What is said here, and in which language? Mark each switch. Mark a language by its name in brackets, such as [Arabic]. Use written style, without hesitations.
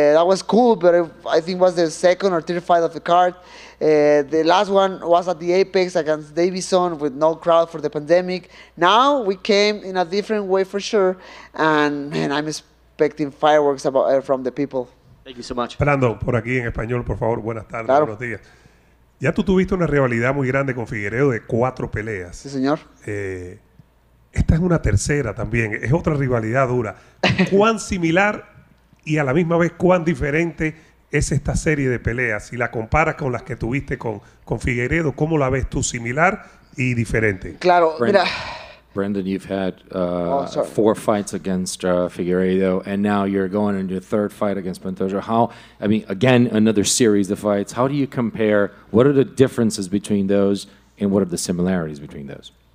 [English] That was cool, but I think it was the second or third fight of the card. The last one was at the Apex against Davison with no crowd for the pandemic. Now we came in a different way for sure, and man, I'm expecting fireworks from the people. Thank you so much. [Spanish] Fernando, por aquí en español, por favor, buenas tardes, claro. Buenos días. Ya tú tuviste una rivalidad muy grande con Figueiredo de 4 peleas. Sí, señor. Esta es una tercera también, es otra rivalidad dura. ¿Cuán similar y a la misma vez cuán diferente es esta serie de peleas? Si la comparas con las que tuviste con Figueiredo, ¿cómo la ves tú, similar y diferente? Claro, mira. [English] Brendan, you've had 4 fights against Figueiredo, and now you're going into your 3rd fight against Pantoja. Again, another series of fights. How do you compare? What are the differences between those, and what are the similarities between those?